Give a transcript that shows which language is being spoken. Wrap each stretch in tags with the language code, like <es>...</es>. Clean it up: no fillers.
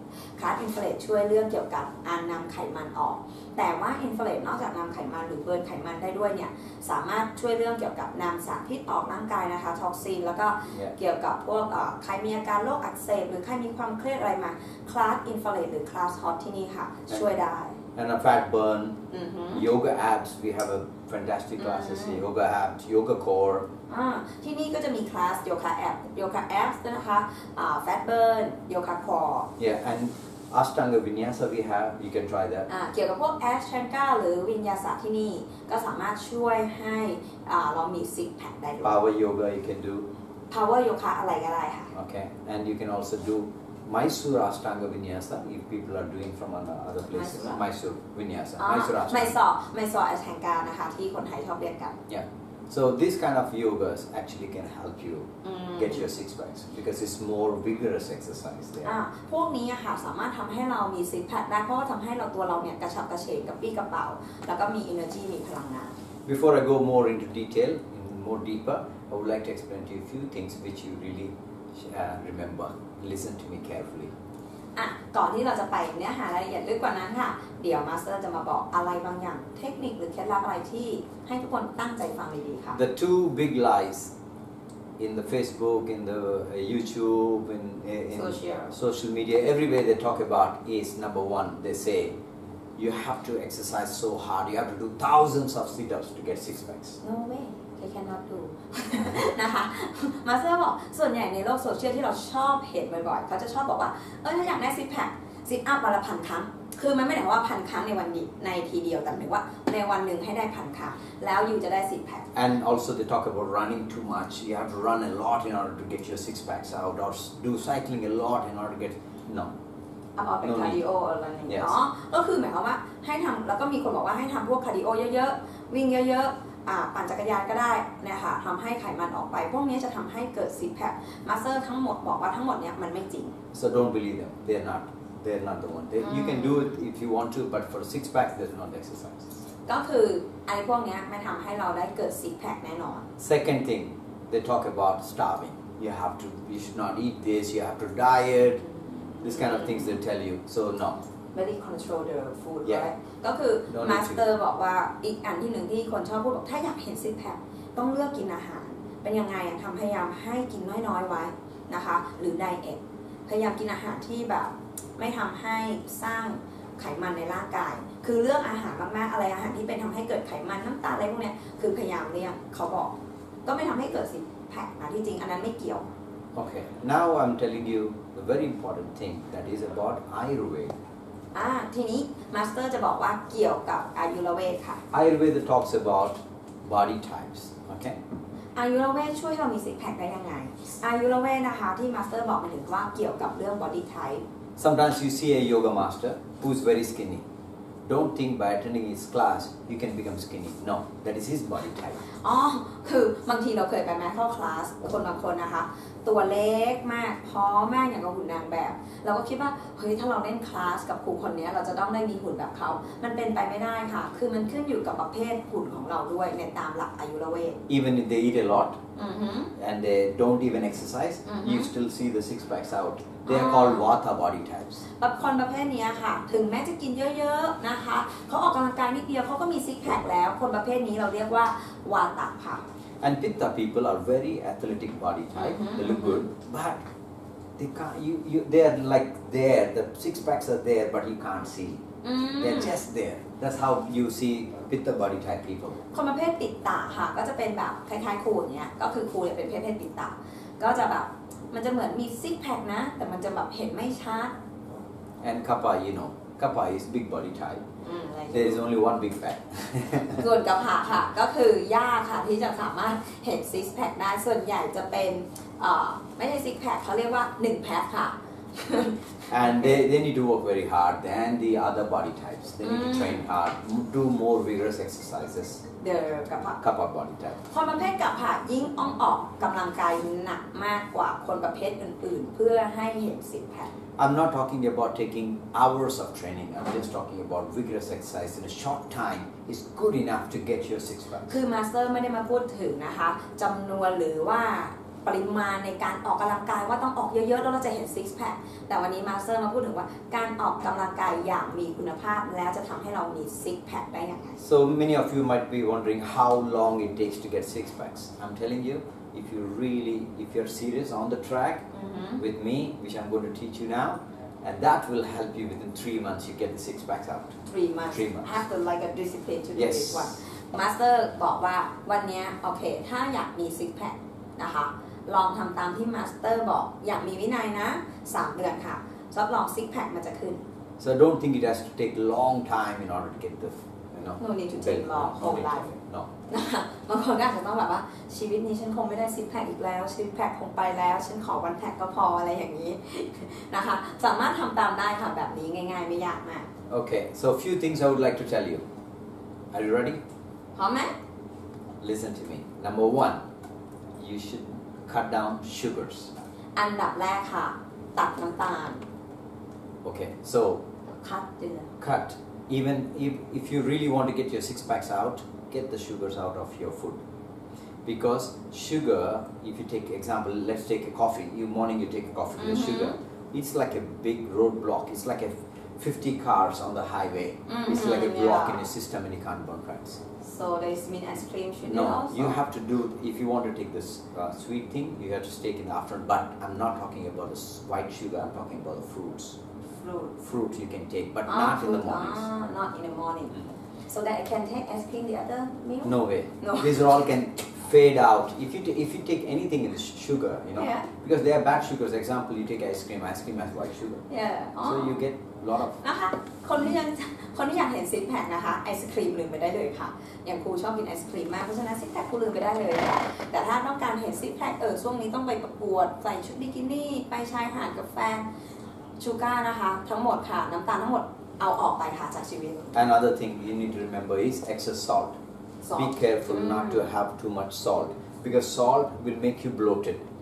<th>ก็คือการได้ซิกแพคเนี่ยค่ะทำไมคลาสอินฟลาเรดช่วยได้คือเคยบอกแล้วว่าคลาสอินฟลาเรดช่วยเรื่องเกี่ยวกับการนำไขมันออก แต่ว่าอินฟลาเรดนอกจากนำไขมันหรือเบิร์นไขมันได้ด้วยเนี่ยสามารถช่วยเรื่องเกี่ยวกับนำสารพิษออกร่างกายนะคะท็อกซินแล้วก็เกี่ยวกับพวกใครมีอาการโรคอักเสบหรือใครมีความเครียดอะไรมาคลาสอินฟลาเรดหรือคลาสฮอตที่นี่ค่ะช่วยได้</th> <en>And a fat burn yoga apps we have a fantastic classes in yoga apps yoga core</en> <th>ที่นี่ก็จะมีคลาสโยคะแอปนะคะ fat burn yoga core</th> <en>yeah and ashtanga vinyasa we have you can try that</en> <th>เกี่ยวกับพวก ashtanga หรือ vinyasa ที่นี่ก็สามารถช่วยให้ เรามี six pack ได้ด้วย</th> <en>power yoga you can do</en> <th>power yoga อะไรก็ได้ค่ะ</th> <en>okay and you can also do mysore ashtanga vinyasa if people are doing from other places mysore vinyasa</en> <th>mysore ashtanga นะคะที่คนไทยชอบเรียกกัน</th> <en>yeah so this kind of yogas actually can help you get your six packs because it's more vigorous exercise there</en> <th>พวกนี้ค่ะสามารถทำให้เรามีซิกแพคได้เพราะทำให้เราตัวเราเนี่ยกระฉับกระเฉงกระปี้กระเป๋าแล้วก็มี energy มีพลังงาน</th> <en>before I go more into detail in more deeper I would like to explain to you a few things which you really remember listen to me carefully</en> <th>ก่อนที่เราจะไปเนื้อหารายละเอียดลึกกว่านั้นค่ะเดี๋ยวมาสเตอร์จะมาบอกอะไรบางอย่างเทคนิคหรือเคล็ดลับอะไรที่ให้ทุกคนตั้งใจฟังดีๆค่ะ</th> <en>The two big lies in the Facebook in the YouTube in social media everywhere they talk about is number one they say you have to exercise so hard. You have to do thousands of sit-ups to get six packs. No way, they cannot do.</en> <th>นะคะ Master บอกส่วนใหญ่ในโลกโซเชียลที่เราชอบเห็นบ่อยๆเขาจะชอบบอกว่าถ้าอยากได้ซิกแพคซิทอัพวันละ1,000 ครั้งคือมันไม่ได้หมายว่า1,000 ครั้งในวันนี้ในทีเดียวแต่หมายว่าในวันหนึ่งให้ได้1,000 ครั้งแล้วอยู่จะได้ซิกแพค</th> <en>And also they talk about running too much. You have to run a lot in order to get your six packs out or do cycling a lot in order to get no.</en> <th>เอาเป็นคาร์ดิโออะไรอย่างเงี้ยเนาะก็คือหมายความว่าให้ทำแล้วก็มีคนบอกว่าให้ทำพวกคาร์ดิโอเยอะๆวิ่งเยอะๆปั่นจักรยานก็ได้นะคะทำให้ไขมันออกไปพวกนี้จะทำให้เกิดซิกแพคมาสเตอร์ทั้งหมดบอกว่าทั้งหมดเนี้ยมันไม่จริง</th> <en>so don't believe them they're not the one they, you can do it if you want to but for six pack there's not exercise</en> <th>ก็คือไอ้พวกเนี้ยมันทำให้เราได้เกิดซิกแพคแน่นอน</th> <en>second thing they talk about starving you have to you should not eat this you have to dietThis kind of things they tell you, so no. Very control the food, yeah. right?</en> <th>ก็คือ Master บอกว่าอีกอันที่หนึ่งที่คนชอบพูดบอกถ้าอยากเห็นซิกแพคต้องเลือกกินอาหารเป็นยังไงทำพยายามให้กินน้อยๆไว้นะคะหรือไดเอทพยายามกินอาหารที่แบบไม่ทำให้สร้างไขมันในร่างกายคือเลือกอาหารมากๆอะไรอาหารที่เป็นทำให้เกิดไขมันน้ำตาลอะไรพวกเนี้ยคือพยายามเลี่ยงเขาบอกก็ไม่ทำให้เกิดซิกแพคนะที่จริงอันนั้นไม่เกี่ยว</th> <en>Okay, now I'm telling you a very important thing that is about Ayurveda.</en> <th>ทีนี้ Master จะบอกว่าเกี่ยวกับ Ayurveda ค่ะ</th> <en>Ayurveda talks about body types, okay?</en> <th>Ayurveda ช่วยเรามีซิกแพคได้ยังไง Ayurveda นะคะที่ Master บอกมาถึงว่าเกี่ยวกับเรื่อง body type.</th> <en>Sometimes you see a yoga master who's very skinny. Don't think by attending his class you can become skinny. No, that is his body type.</en> <th>คือบางทีเราเคยไปมาเข้าคลาสคนบางคนนะคะตัวเล็กมากพร้อมมากอย่างกับหุ่นนางแบบเราก็คิดว่าเฮ้ยถ้าเราเล่นคลาสกับครูคนนี้เราจะต้องได้มีหุ่นแบบเขามันเป็นไปไม่ได้ค่ะคือมันขึ้นอยู่กับประเภทหุ่นของเราด้วยในตามหลักอายุรเวท</th> <en>even if they eat a lot and they don't even exercise you still see the six packs out they are called vata body types</en> <th>แบบคนประเภทนี้ค่ะถึงแม้จะกินเยอะๆนะคะเขาออกกำลังกายนิดเดียวเขาก็มีซิกแพคแล้วคนประเภทนี้เราเรียกว่าวาตะค่ะ</th> <en>And Pitta people are very athletic body type, they look good, but they can't, they are like there, the six packs are there, but you can't see. They're just there. That's how you see Pitta body type people.</en> <th>คนประเภทปิตตะค่ะก็จะเป็นแบบคล้ายๆครูเนี่ยก็คือครูเนี่ยเป็นเพศปิตตะก็จะแบบมันจะเหมือนมีซิกแพคนะแต่มันจะแบบเห็นไม่ชัด</th> <en>And Kappa, you know, Kappa is big body type. There is only one big fat.</en> <th>ส่วนกับหาค่ะก็คือยากค่ะที่จะสามารถเห็นซิกแพคได้ส่วนใหญ่จะเป็นไม่ใช่ซิกแพคเขาเรียกว่า1แพคค่ะ</th> <en>And they need to work very hard than the other body types. They need to train hard, do more vigorous exercises. The Kapha. Kapha body type.</en> <th>คนประเภทกับหายิ่งอ่องออกกำลังกายหนักมากกว่าคนประเภทอื่นๆเพื่อให้เห็นซิกแพค</th> <en>I'm not talking about taking hours of training. I'm just talking about vigorous exercise in a short time is good enough to get your six pack.</en> <th>คือ Master ไม่ได้มาพูดถึงนะคะจำนวนหรือว่าปริมาณในการออกกำลังกายว่าต้องออกเยอะๆแล้วเราจะเห็น six pack. แต่วันนี้ Master มาพูดถึงว่าการออกกำลังกายอย่างมีคุณภาพแล้วจะทำให้เรามี six pack ได้ยังไง</th> <en>So many of you might be wondering how long it takes to get six packs. I'm telling you. If you really, if you're serious on the track with me, which I'm going to teach you now, and that will help you within 3 months, you get the six packs out. 3 months. 3 months. Have to like a discipline to do yes. this one.</en> <th>Master บอกว่าวันนี้โอเคถ้าอยากมี six pack นะคะลองทำตามที่ Master บอกอยากมีวินัยนะ3 เดือนค่ะทดลอง six pack มันจะขึ้น</th> <en>So don't think it has to take long time in order to get the, you know, no need to take long whole life. No.</en> <th>บางคนก็อาจจะต้องแบบว่าชีวิตนี้ฉันคงไม่ได้ซิกแพคอีกแล้วซิกแพคคงไปแล้วฉันขอวันแพคก็พออะไรอย่างนี้ นะคะสามารถทำตามได้ค่ะแบบนี้ง่ายๆไม่ยากมาก</th> <en>โอเค so few things I would like to tell you are you ready</en> <th>พร้อมไหม</th> <en>listen to me number one you should cut down sugars</en> <th>อันดับแรกค่ะตัดน้ำตาล</th> <en>โอเค so cut cut even if you really want to get your six packs outget the sugars out of your food because sugar if you take example let's take a coffee you morning you take a coffee with sugar it's like a big roadblock it's like a 50 cars on the highway it's like a block in your system and you can't burn fats so this mean ice cream should no also? You have to do if you want to take this sweet thing you have to take in the afternoon but I'm not talking about the white sugar I'm talking about the fruits fruits you can take, but not in the morning. So that I can take ice cream the other meal? No way. No. These all can fade out. If you take anything in the sugar, you know, yeah. Because they are bad sugars. Example, you take ice cream has white sugar. Yeah. Oh. So you get a lot of.</en> <th>นะคะคนที่ยังเห็นซิกแพคนะคะไอศกรีมลืมไปได้เลยค่ะอย่างครูชอบกินไอศกรีมมากเพราะฉะนั้นซิกแพคครูลืมไปได้เลยแต่ถ้าต้องการเห็นซิกแพคช่วงนี้ต้องไปประกวดใส่ชุดบิกินี่ไปชายหาดกับแฟนชูการ์นะคะทั้งหมดค่ะน้ำตาลทั้งหมดเอาออกไปค่ะจากชีวิต</th> <en>Another thing you need to remember is excess salt. Be careful not to have too much salt because salt will make you bloated.</en>